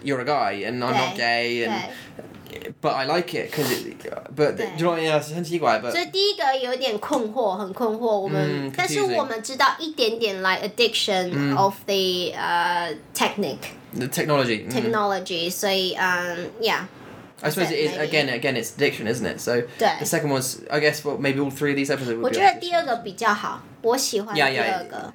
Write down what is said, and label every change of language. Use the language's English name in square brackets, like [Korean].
[English] You're a guy, and I'm not gay, and... But I like it, because it... But, do you know what I mean? It's [Chinese] 很奇怪, [English] but... [Chinese] 所以第一个有点困惑,很困惑,我们... [English] confusing. [Chinese] 但是我们知道一点点, [English] like, addiction of the technique. The technology. Technology, so, yeah. I suppose it is, again, it's addiction, isn't it? So, [Chinese] 对. [English] The second one's, I guess, well, maybe all three of these episodes would be... [Chinese] 我觉得第二个比较好,我喜欢第二个。